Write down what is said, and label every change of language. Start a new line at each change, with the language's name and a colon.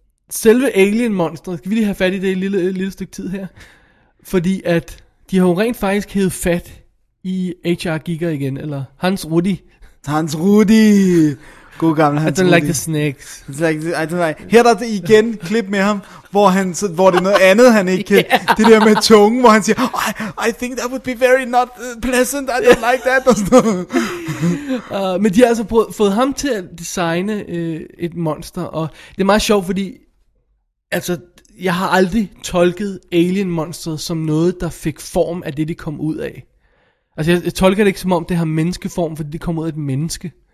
Danish: Selve alien-monstret, skal vi lige have fat i det i et lille stykke tid her? Fordi at de har jo rent faktisk hævet fat i H.R. Giger igen, eller Hans Rudi. Hans Rudi! God gammel Hans Rudi.
English: I don't like the snakes.
Danish: Her er der igen klip med ham, hvor det er noget andet, han ikke kan.
English: Yeah.
Danish: Det der med tungen, hvor han siger,
English: oh, I think that would be very not pleasant, I don't yeah. like that,
Danish: og sådan noget. Men de har altså fået ham til at designe et monster, og det er meget sjovt, fordi... Altså, jeg har aldrig tolket alien-monstret som noget, der fik form af det, de kom ud af. Altså, jeg tolker det ikke som om, det har menneskeform, fordi det kom ud af et menneske.